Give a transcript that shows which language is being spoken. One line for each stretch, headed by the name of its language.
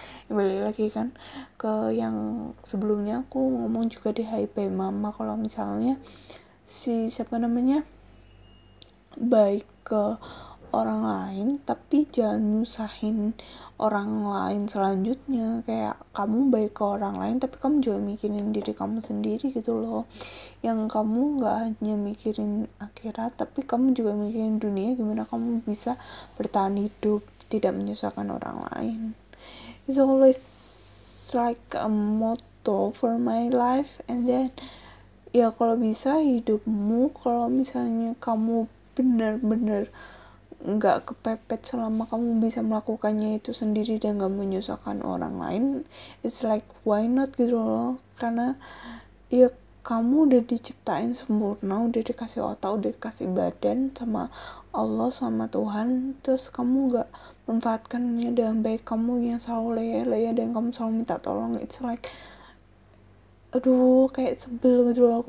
Indonesian: Kembali lagi kan ke yang sebelumnya aku ngomong juga di HP mama, kalau misalnya si siapa namanya baik ke orang lain, tapi jangan nyusahin orang lain selanjutnya. Kayak kamu baik ke orang lain, tapi kamu juga mikirin diri kamu sendiri gitu loh, yang kamu gak hanya mikirin akhirat, tapi kamu juga mikirin dunia, gimana kamu bisa bertahan hidup, tidak menyusahkan orang lain.
English: It's always like a motto for my life.
Indonesian: And then ya kalau bisa hidupmu, kalau misalnya kamu benar-benar nggak kepepet selama kamu bisa melakukannya itu sendiri dan nggak menyusahkan orang lain,
English: it's like why not
Indonesian: gitu loh. Karena ya kamu udah diciptain sempurna, udah dikasih otak, udah dikasih badan sama Allah, sama Tuhan, terus kamu nggak memanfaatkannya dengan baik, kamu yang selalu leya-leya dan kamu selalu minta tolong, it's like aduh kayak sebel gitu loh.